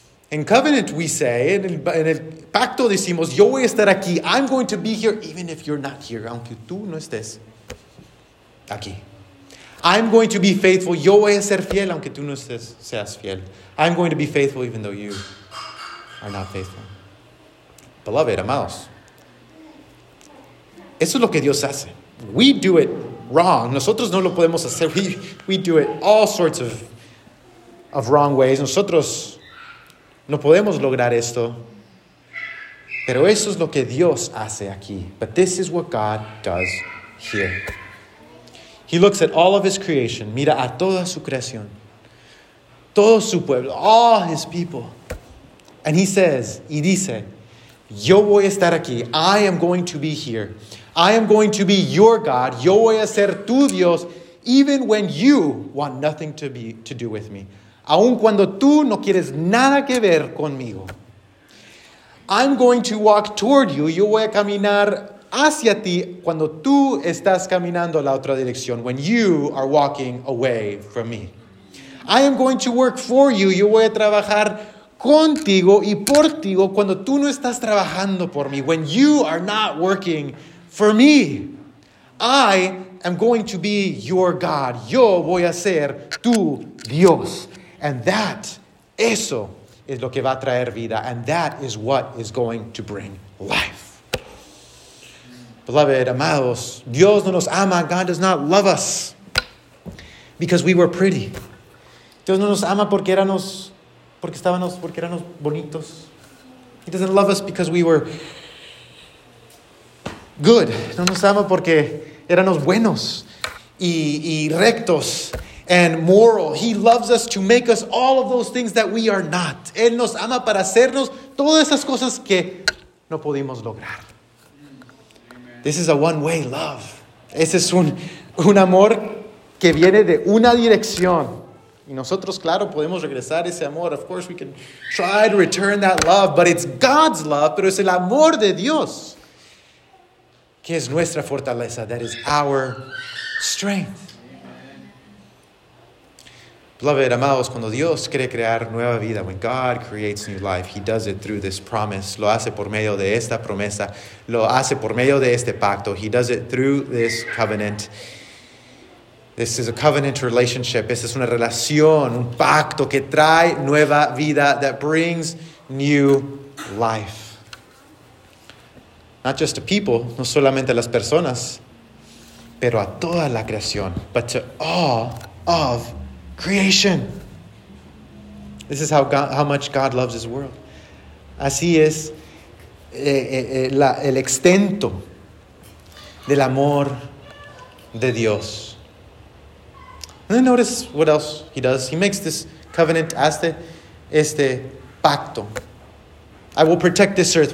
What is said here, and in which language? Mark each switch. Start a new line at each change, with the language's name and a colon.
English: In covenant, we say,
Spanish: en el pacto decimos, yo voy a estar aquí.
English: I'm going to be here even if you're not here.
Spanish: Aunque tú no estés aquí.
English: I'm going to be faithful.
Spanish: Yo voy a ser fiel aunque tú no estés, seas fiel.
English: I'm going to be faithful even though you are not faithful. Beloved, amados.
Spanish: Eso es lo que Dios hace.
English: We do it wrong.
Spanish: Nosotros no lo podemos hacer.
English: We do it all sorts of wrong ways.
Spanish: Nosotros no podemos lograr esto. Pero eso es lo que Dios hace aquí.
English: But this is what God does here. He looks at all of his creation.
Spanish: Mira a toda su creación. Todo su pueblo.
English: All his people. And he says,
Spanish: y dice, yo voy a estar aquí.
English: I am going to be here. I am going to be your God.
Spanish: Yo voy a ser tu Dios,
English: even when you want nothing to do with me.
Spanish: Aun cuando tú no quieres nada que ver conmigo.
English: I'm going to walk toward you.
Spanish: Yo voy a caminar hacia ti cuando tú estás caminando la otra dirección.
English: When you are walking away from me. I am going to work for you.
Spanish: Yo voy a trabajar contigo y por ti cuando tú no estás trabajando por mí.
English: When you are not working for me, I am going to be your God.
Spanish: Yo voy a ser tu Dios.
English: And that,
Spanish: eso es lo que va a traer vida.
English: And that is what is going to bring life. Beloved, amados,
Spanish: Dios no nos ama.
English: God does not love us because we were pretty.
Spanish: Dios no nos ama porque éramos bonitos.
English: He doesn't love us because we were good.
Spanish: No nos ama porque éramos buenos y rectos
English: and moral. He loves us to make us all of those things that we are not.
Spanish: Él nos ama para hacernos todas esas cosas que no pudimos lograr. Amen.
English: This is a one-way love.
Spanish: Ese es un amor que viene de una dirección. Y nosotros, claro, podemos regresar ese amor.
English: Of course, we can try to return that love. But it's God's love.
Spanish: Pero es el amor de Dios. Que es nuestra fortaleza.
English: That is our strength. Beloved, amados,
Spanish: cuando Dios quiere crear nueva vida,
English: when God creates new life, he does it through this promise.
Spanish: Lo hace por medio de esta promesa. Lo hace por medio de este pacto.
English: He does it through this covenant. This is a covenant relationship.
Spanish: Esta es una relación, un pacto que trae nueva vida,
English: that brings new life. Not just to people,
Spanish: no solamente a las personas, pero a toda la creación,
English: but to all of creation. This is how much God loves his world.
Spanish: Así es el extento del amor de Dios.
English: And then notice what else he does. He makes this covenant, este pacto. I will protect this earth.